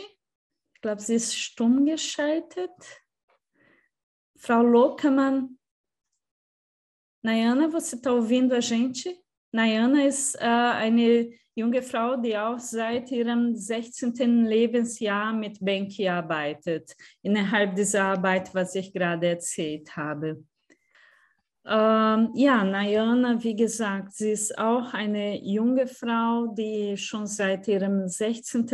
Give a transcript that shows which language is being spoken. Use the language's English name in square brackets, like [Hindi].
[German] Ich glaube, sie ist stumm geschaltet. Frau Lockermann. [Portuguese] Nayana, você está ouvindo a gente? [German] Nayana ist eine junge Frau, die auch seit ihrem 16. Lebensjahr mit Benki arbeitet, innerhalb dieser Arbeit, was ich gerade erzählt habe. Ja, Nayana, wie gesagt, sie ist auch eine junge Frau, die schon seit ihrem 16.